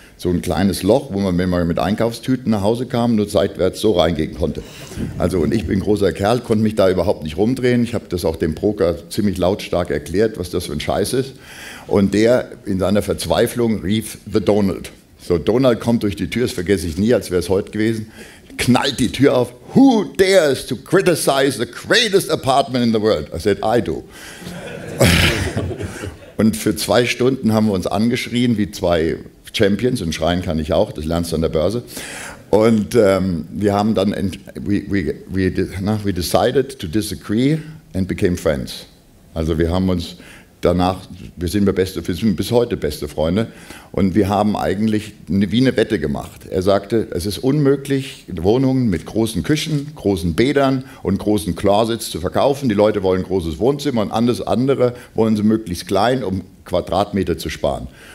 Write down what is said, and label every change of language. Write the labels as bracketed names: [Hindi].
[German] So ein kleines Loch, wo man, wenn man mit Einkaufstüten nach Hause kam, nur seitwärts so reingehen konnte. Also, und ich bin großer Kerl, konnte mich da überhaupt nicht rumdrehen. Ich habe das auch dem Broker ziemlich lautstark erklärt, was das für ein Scheiß ist. Und der in seiner Verzweiflung rief The Donald. So, Donald kommt durch die Tür, das vergesse ich nie, als wäre es heute gewesen, knallt die Tür auf. [English] Who dares to criticize the greatest apartment in the world? I said, I do. [German] Und für 2 Stunden haben wir uns angeschrien wie 2 Champions, und schreien kann ich auch, das lernst du an der Börse. Und wir haben dann, [English] we decided to disagree and became friends. [German] Also wir haben uns danach, wir sind bis heute beste Freunde, und wir haben eigentlich wie eine Wette gemacht. Er sagte, es ist unmöglich, Wohnungen mit großen Küchen, großen Bädern und großen Closets zu verkaufen. Die Leute wollen großes Wohnzimmer und alles andere wollen sie möglichst klein, um Quadratmeter zu sparen.